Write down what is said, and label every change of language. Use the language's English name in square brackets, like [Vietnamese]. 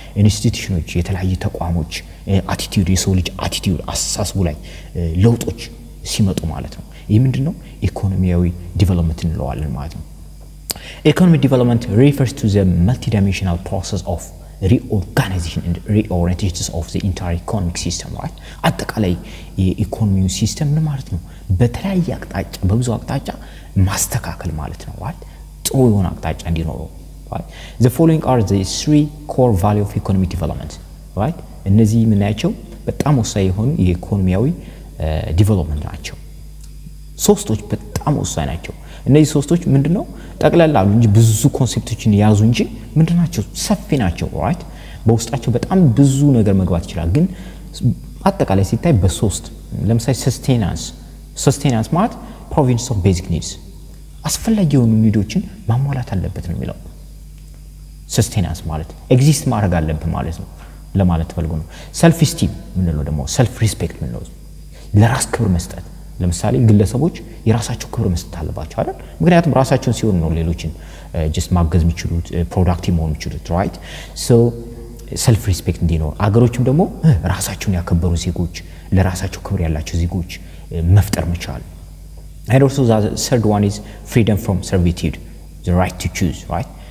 [Amharic] Institutions, የተለያየ ተቋሞች attitude የሰው ልጅ attitude አሳስቡ ላይ ለውጦች ሲመጡ ማለት ነው። ይህ ምንድነው? ኢኮኖሚያዊ ዲቨሎፕመንት እንለዋለን ማለት ነው። [English] Economic development refers to the multidimensional process of reorganization and reorientation of the entire economic system, right? [Amharic] አጠቃላይ የኢኮኖሚው ሲስተም ምን ማለት ነው? በተለያየ አቅጣጫ በብዙ አቅጣጫ ማስተካከል ማለት ነው ማለት ጥሩ የሆነ አቅጣጫ እንዲኖር ማለት። [English] The following are the three core values of economic development, right? [Amharic] እነዚህ ምን ናቸው? በጣም ወሳኝ የሆኑ የኢኮኖሚያዊ ዲቨሎፕመንት ናቸው። ሶስቶች በጣም ወሳኝ ናቸው። እነዚህ ሶስቶች ምንድነው? ጠቅላላ አሉ እንጂ ብዙ ኮንሴፕቶችን ያዙ እንጂ ምንድናቸው? ሰፊ ናቸው right? በውስጣቸው በጣም ብዙ ነገር መግባት ይችላል ግን አጠቃላይ ሲታይ በሶስት ለምሳሌ sustenance ማለት [English] provision of basic needs [Amharic] አስፈላጊ የሆኑ ኒዶችን ማሟላት አለበት ነው የሚለው። sustenance ማለት exist ማድረግ አለበት ማለት ነው ለማለት ፈልጎ ነው። self esteem ምንድነው ደግሞ? self respect ምንድነው? ለራስ ክብር መስጠት ለምሳሌ ግለሰቦች የራሳቸው ክብር መስጠት አለባቸው አይደል? ምክንያቱም ራሳቸው ሲሆን ነው ሌሎችን just ማገዝ የሚችሉት productive መሆን የሚችሉት right? so self respect እንዲኖር አገሮችም ደግሞ ራሳቸውን ያከበሩ ዜጎች ለራሳቸው ክብር ያላቸው ዜጎች መፍጠር መቻል። [English] and also the third one is freedom from servitude, the right to choose, right?